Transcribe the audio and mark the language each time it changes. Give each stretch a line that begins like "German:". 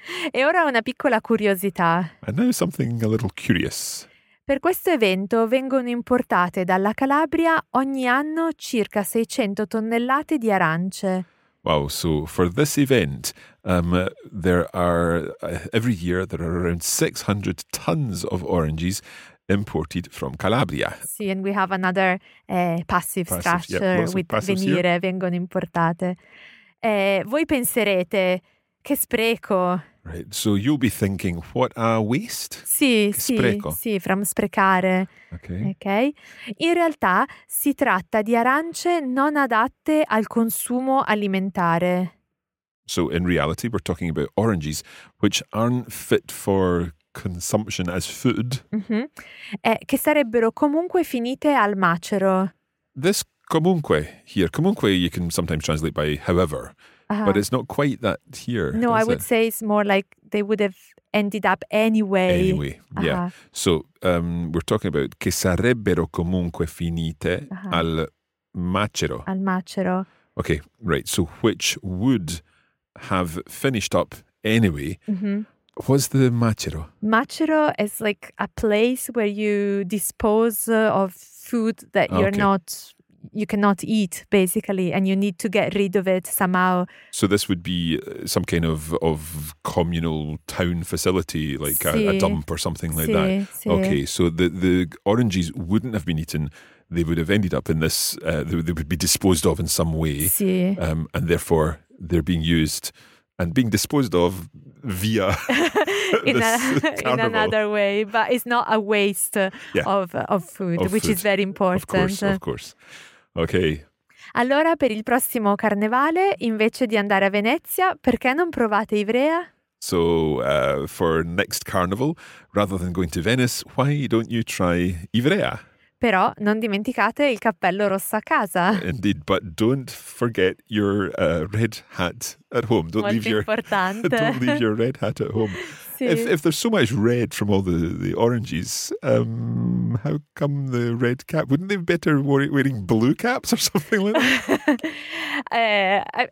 Italian: E ora una piccola curiosità.
English: And now something a little curious.
Italian: Per questo evento vengono importate dalla Calabria ogni anno circa 600 tonnellate di arance.
English: Wow, so for this event, there are, every year there are around 600 tons of oranges imported from Calabria. Sì, and we have another passive structure yeah, with venire, here.
Italian: Vengono importate. Voi penserete, che spreco!
English: Right, so you'll be thinking, what a waste?
Italian: Sì, sì, spreco.
English: Sì, from sprecare. Okay. Okay.
Italian: In realtà si tratta di arance non adatte al consumo alimentare.
English: So in reality we're talking about oranges which aren't fit for consumption as food, mm-hmm.
Italian: Che sarebbero comunque finite al macero.
English: This comunque here, comunque you can sometimes translate by however, uh-huh. but it's not quite that here. No, I would it? Say it's more like they would have ended up anyway. Anyway, uh-huh. yeah. So we're talking about
Italian: che sarebbero comunque finite uh-huh. al macero. Al macero.
English: Okay, right. So which would have finished up anyway. Mm-hmm. What's the macero? Macero is like a place where you dispose of food that you're okay. not, you cannot eat, basically, and you need to get rid of it somehow. So this would be some kind of communal town facility, like
Italian: sì.
English: a dump or something like
Italian: sì,
English: that.
Italian: Sì.
English: Okay, so the oranges wouldn't have been eaten. They would have ended up in this, they would be disposed of in some way.
Italian: Sì.
English: And therefore, they're being used and being disposed of via in another way, but it's not a waste yeah. of food, of which food. Is very important. Of course. Okay.
Italian: Allora, per il prossimo carnevale, invece di andare a Venezia, perché non provate Ivrea?
English: So, for next carnival, rather than going to Venice, why don't you try Ivrea?
Italian: Però non dimenticate il cappello rosso a casa.
English: Indeed, but don't forget your red hat at home. Don't
Italian: Molto
English: leave your
Italian: importante.
English: Don't leave your red hat at home.
Italian: Sì.
English: If there's so much red from all the oranges, how come the red cap? Wouldn't they better wear it wearing blue caps or something like that?